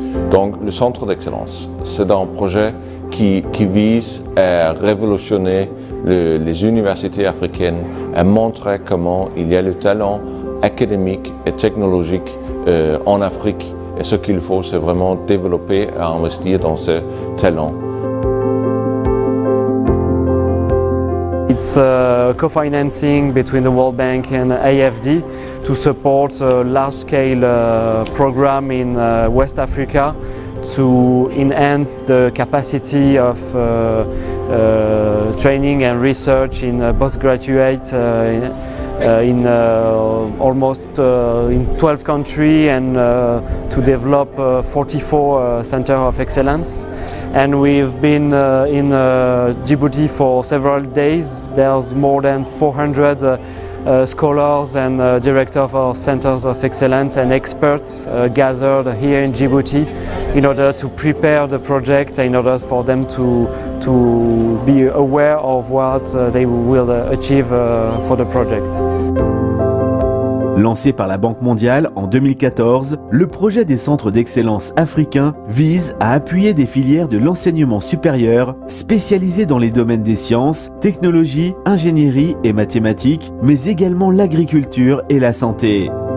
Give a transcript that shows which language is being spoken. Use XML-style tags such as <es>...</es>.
<fr>Donc le Centre d'Excellence, c'est un projet qui vise à révolutionner les universités africaines, à montrer comment il y a le talent académique et technologique en Afrique. Et ce qu'il faut, c'est vraiment développer et investir dans ces talents.</fr> <en>It's a co-financing between the World Bank and AFD to support a large-scale program in West Africa to enhance the capacity of training and research in postgraduate in almost in 12 countries and to develop 44 centers of excellence. And we've been in Djibouti for several days. There's more than 400 scholars and directors of our centers of excellence and experts gathered here in Djibouti in order to prepare the project, in order for them to be aware of what they will achieve for the project.</en> <fr>Lancé par la Banque mondiale en 2014, le projet des centres d'excellence africains vise à appuyer des filières de l'enseignement supérieur spécialisées dans les domaines des sciences, technologies, ingénierie et mathématiques, mais également l'agriculture et la santé.</fr>